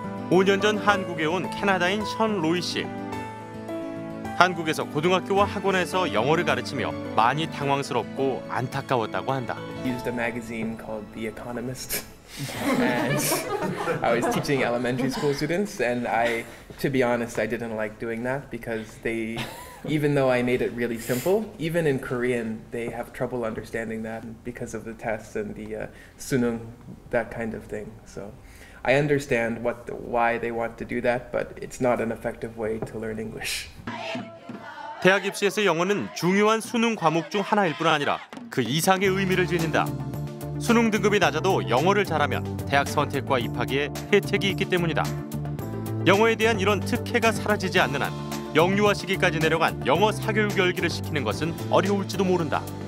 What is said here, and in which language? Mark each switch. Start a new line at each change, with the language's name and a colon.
Korean: 5년 전 한국에 온 캐나다인 션 로이 씨. 한국에서 고등학교와 학원에서 영어를 가르치며 많이 당황스럽고 안타까웠다고 한다.
English: Used a magazine called The Economist. And I was teaching elementary school students and I to be honest I didn't like doing that because they even though I made it really simple even in Korean they have trouble understanding that because of the tests and the 수능 that kind of thing. So I understand what why they want to do that but it's not an effective way to learn English.
Korean: 대학 입시에서 영어는 중요한 수능 과목 중 하나일 뿐 아니라 그 이상의 의미를 지닌다. 수능 등급이 낮아도 영어를 잘하면 대학 선택과 입학에 혜택이 있기 때문이다. 영어에 대한 이런 특혜가 사라지지 않는 한 영유아 시기까지 내려간 영어 사교육 열기를 시키는 것은 어려울지도 모른다.